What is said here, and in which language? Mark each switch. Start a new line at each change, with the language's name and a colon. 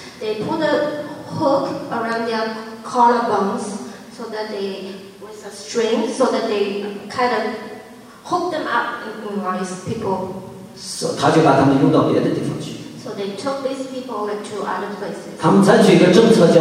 English: they put a hook around their collarbones so that they with a string so that they kind of hook them up in these people. So,
Chinese: 他就把他们用到别的地方去。
English: So they took these people to other places.